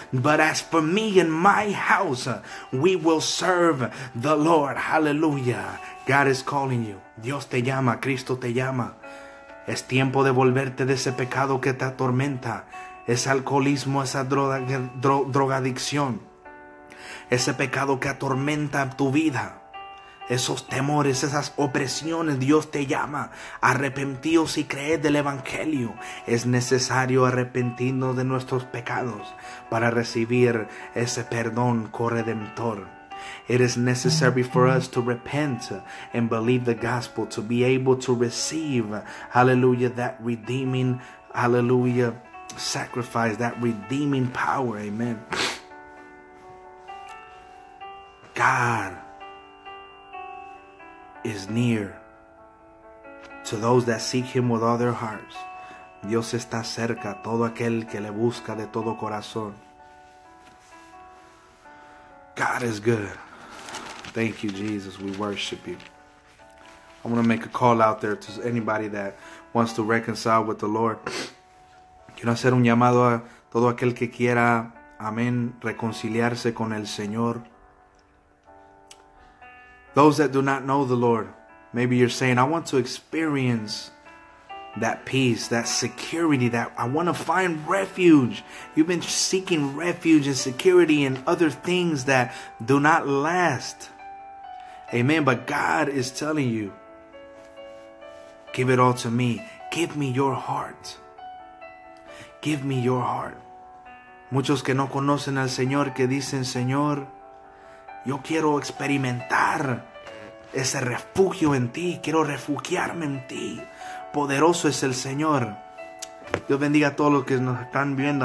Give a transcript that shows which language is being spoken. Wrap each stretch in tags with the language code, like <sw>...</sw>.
<en>But as for me and my house, we will serve the Lord.</en> <es>Hallelujah.</es> <en>God is calling you.</en> <es>Dios te llama. Cristo te llama. Es tiempo de volverte de ese pecado que te atormenta. Ese alcoholismo, esa drogadicción. Ese pecado que atormenta tu vida. Esos temores, esas opresiones, Dios te llama. Arrepentíos y creed del Evangelio. Es necesario arrepentirnos de nuestros pecados para recibir ese perdón corredentor.</es> <en>It is necessary for us to repent and believe the gospel to be able to receive, hallelujah, that redeeming, hallelujah, sacrifice, that redeeming power, amen. God is near to those that seek him with all their hearts.</en> <es>Dios está cerca a todo aquel que le busca de todo corazón.</es> <en>God is good. Thank you, Jesus. We worship you. I want to make a call out there to anybody that wants to reconcile with the Lord. Quiero hacer un llamado a todo aquel que quiera, amén, reconciliarse con el Señor. Those that do not know the Lord, maybe you're saying, I want to experience that peace, that security, that I want to find refuge. You've been seeking refuge and security in other things that do not last. Amen. But God is telling you, give it all to me. Give me your heart. Give me your heart.</en> <es>Muchos que no conocen al Señor que dicen, Señor, yo quiero experimentar ese refugio en ti. Quiero refugiarme en ti. Poderoso es el Señor. Dios bendiga a todos los que nos están viendo.</es>